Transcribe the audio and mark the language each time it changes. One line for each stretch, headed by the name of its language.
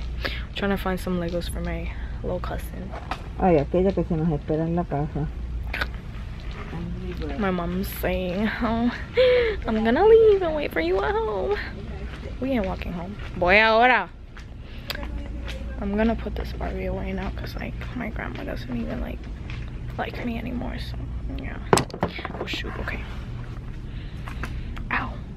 English: I'm trying to find some Legos for my little cousin.
Spanish: Ay, aquella que se nos espera en la casa.
English: My mom's saying, oh, I'm gonna leave and wait for you at home. We ain't walking home.
Spanish: Voy ahora.
English: I'm gonna put this Barbie away now because like my grandma doesn't even like me anymore, so yeah. Oh shoot, okay. Ow.